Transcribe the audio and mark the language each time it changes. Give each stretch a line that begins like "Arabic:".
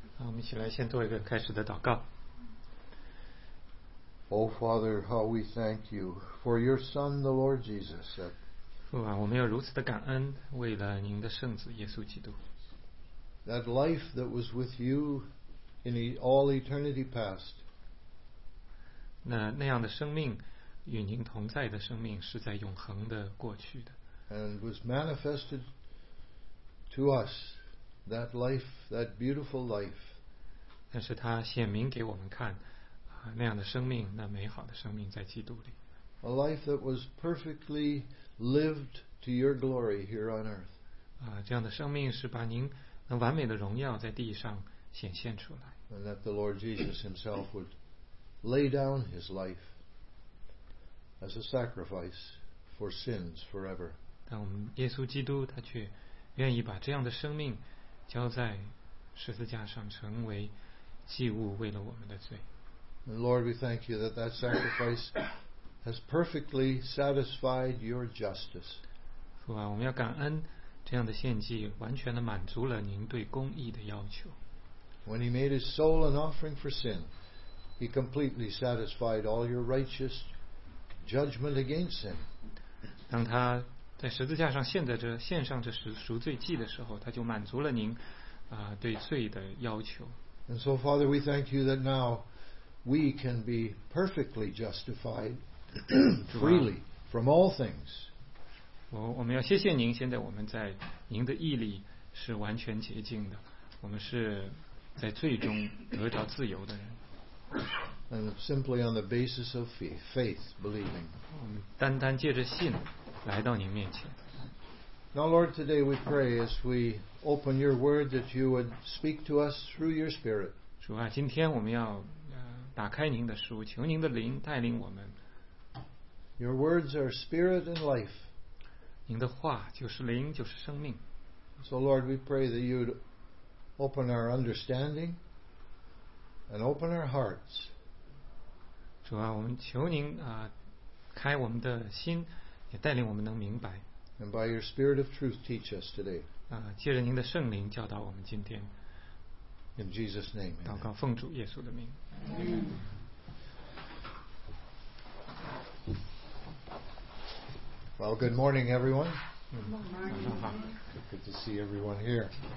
Chinese: 我们一起来先做一个开始的祷告。
English: Oh Father, how we thank you for your Son, the Lord Jesus.
Chinese: 父啊，我们要如此的感恩，为了您的圣子耶稣基督。
English: That life that was with you in all eternity past.
Chinese: 那样的生命，与您同在的生命，是在永恒的过去的。
English: And was manifested to us, that life, that beautiful life.
Chinese: 但是他显明给我们看，那样的生命，那美好的生命在基督里。
English: A life that was perfectly lived to your glory here on earth.
Chinese: 这样的生命是把您那完美的荣耀在地上显现出来。
English: And that the Lord Jesus himself would lay down his life as a sacrifice for sins forever.
Chinese: 但我们耶稣基督他却愿意把这样的生命交在十字架上，成为祭物，为了我们的罪。
English: And Lord, we thank you that that sacrifice has perfectly satisfied your justice.
Chinese: 父啊，我们要感恩这样的献祭完全的满足了您对公义的要求。
English: When he made his soul an offering for sin, he completely satisfied all your righteous judgment against sin.
Chinese: 当他在十字架上献上这赎罪祭的时候，他就满足了您对罪的要求。
English: And so, Father, we thank you that now we can be perfectly justified freely from all things.
Chinese: 我们要谢谢您，现在我们在您的义里是完全洁净的，我们是在罪中得着自由的人。
English: And simply on the basis of faith, believing.
Chinese: 我们单单借着信来到您面前。
English: Now, Lord, today we pray as we open your word that you would speak to us through your spirit.
Chinese: 主啊，今天我们要打开您的书，求您的灵带领我们。
English: Your words are spirit and life.
Chinese: 您的话就是灵，就是生命。
English: So, Lord, we pray that you would open our understanding and open our hearts.
Chinese: 主啊，我们求您开我们的心，也带领我们能明白。
English: And by your spirit of truth, teach us today.
Chinese: 借着您的圣灵教导我们今天。
English: In Jesus' name.
Chinese: 祷告奉主耶稣的名。
English: Well, good morning, everyone. Good morning. Good to see everyone here.